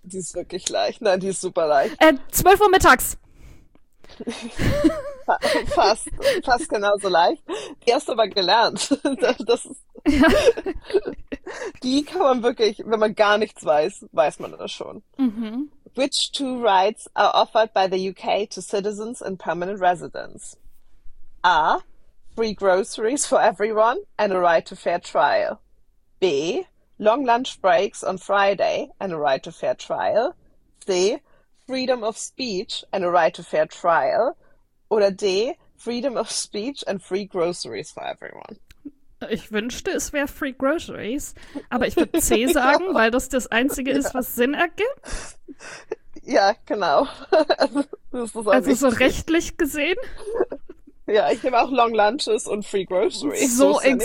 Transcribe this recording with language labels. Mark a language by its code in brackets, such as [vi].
[de] Die ist wirklich leicht. Nein, die ist super leicht. 12 Uhr mittags. Fast, fast genauso leicht. Die hast du aber gelernt. Das ist, die kann man wirklich, wenn man gar nichts weiß, weiß man das schon. [en] Which two rights are offered by the UK to citizens and permanent residents? A. Free groceries for everyone and a right to fair trial. B. Long lunch breaks on Friday and a right to fair trial. C. Freedom of speech and a right to fair trial. [de] Oder D. [en] Freedom of speech and free groceries for everyone. [de] Ich wünschte, es wäre Free Groceries, Ja. aber ich würde C sagen, weil das das Einzige ist, was Sinn ergibt. Ja, genau. Das ist auch Also so richtig. rechtlich gesehen. Ja, ich nehme auch Long Lunches und Free Groceries, So wusste nicht.